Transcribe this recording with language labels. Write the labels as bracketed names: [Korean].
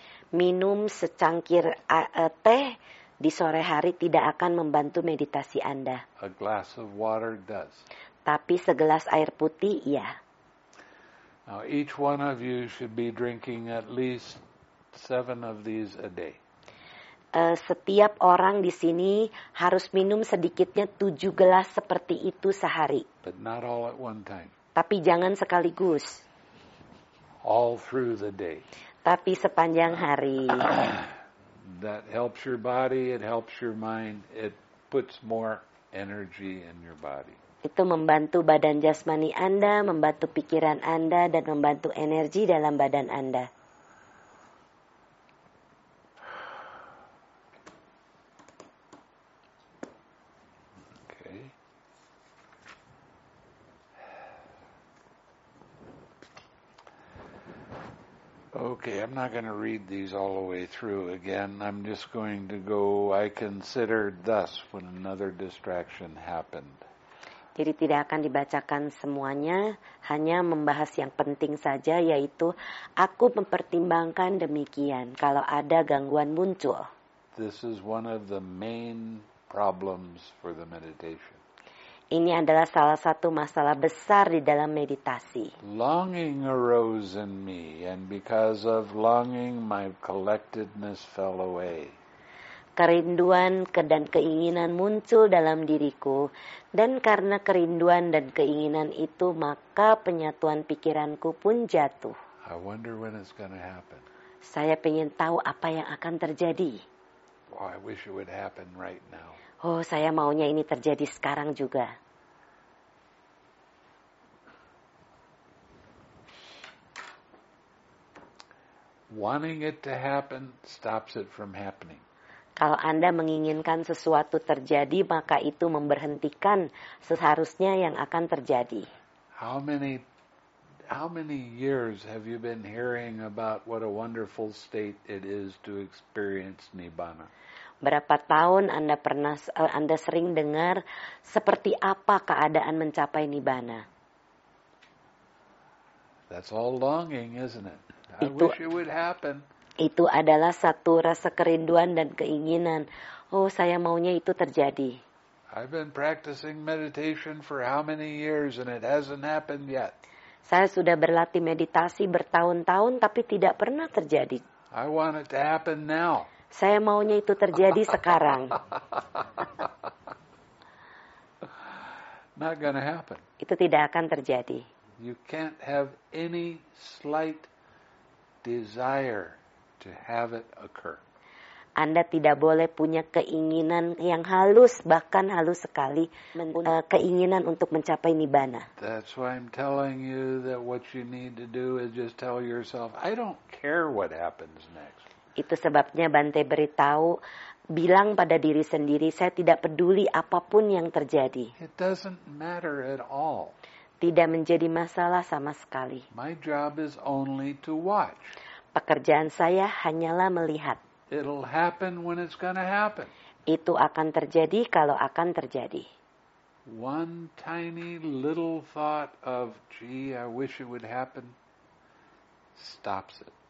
[Indonesian] Minum secangkir teh di sore hari tidak akan membantu meditasi Anda. [English] A glass of water does. [Indonesian] Tapi segelas air putih, iya. [English] Now, each one of you should be drinking at least 7 of these a day. [Indonesian] Setiap orang di sini harus minum sedikitnya 7 gelas seperti itu sehari. [English] But not all at one time. [Indonesian] Tapi jangan sekaligus. [English] All through the day. [Indonesian] Tapi sepanjang hari. [English] That helps your body, it helps your mind, it puts more energy in your body. [Indonesian] Itu membantu badan jasmani Anda, membantu pikiran Anda, dan membantu energi dalam badan Anda. [English] Okay, I'm not going to read these all the way through again. I'm just going to go, I considered thus when another distraction happened. [Indonesian] Jadi tidak akan dibacakan semuanya, hanya membahas yang penting saja, yaitu aku mempertimbangkan demikian kalau ada gangguan muncul. [English] This is one of the main problems for the meditation. [Indonesian] Ini adalah salah satu masalah besar di dalam meditasi. [English] Longing arose in me, and because of longing, my collectedness fell away. [Indonesian] Kerinduan dan keinginan muncul dalam diriku, dan karena kerinduan dan keinginan itu, maka penyatuan pikiranku pun jatuh. [English] I wonder when it's going to happen. [Indonesian] Saya ingin tahu apa yang akan terjadi. [English] Oh, I wish it would happen right now. [Indonesian] Oh, saya maunya ini terjadi sekarang juga. [English] Wanting it to happen stops it from happening. [Indonesian] Kalau Anda menginginkan sesuatu terjadi, maka itu memberhentikan seharusnya yang akan terjadi. [English] How many years have you been hearing about what a wonderful state it is to experience Nibbana? [Indonesian] Berapa tahun Anda sering dengar seperti apa keadaan mencapai Nibbana? [English] That's all longing, isn't it? I wish it would happen. [Indonesian] Itu adalah satu rasa kerinduan dan keinginan. Oh, saya maunya itu terjadi. [English] I've been practicing meditation for how many years and it hasn't happened yet. [Indonesian] Saya sudah berlatih meditasi bertahun-tahun tapi tidak pernah terjadi. [English] I want it to happen now. [Indonesian] Saya maunya itu terjadi sekarang. [English] Not gonna happen. [Indonesian] Itu tidak akan terjadi. [English] You can't have any slight desire to have it occur. [Indonesian] Anda tidak boleh punya keinginan yang halus, bahkan halus sekali, keinginan untuk mencapai Nibbana. [English] That's why I'm telling you that what you need to do is just tell yourself, I don't care what happens next. [Indonesian] Itu sebabnya Bante beritahu, bilang pada diri sendiri, saya tidak peduli apapun yang terjadi. [English] It doesn't matter at all. [Indonesian] Tidak menjadi masalah sama sekali. [English] My job is only to watch. [Indonesian] Pekerjaan saya hanyalah melihat. [English] It'll happen when it's gonna happen. [Indonesian] Itu akan terjadi kalau akan terjadi. [English] one tiny little thought of, gee, I wish it would happen, stops it.